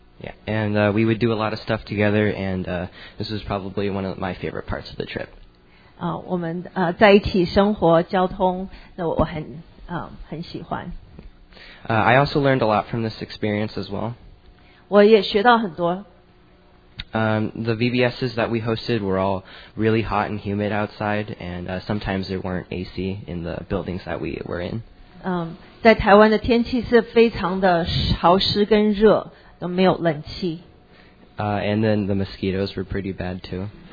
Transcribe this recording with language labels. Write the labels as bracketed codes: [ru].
[en] Yeah, and we would do a lot of stuff together, and this is probably one of my favorite parts of the trip. [zh] 我们在一起生活、交通，那我很很喜欢。 [en] I also learned a lot from this experience as well. [zh] 我也学到很多。 [en] The VBSs that we hosted were all really hot and humid outside, and sometimes there weren't AC in the buildings that we were in. [zh] 在台湾的天气是非常的潮湿跟热。都没有冷气。 [en] And then the mosquitoes were pretty bad too.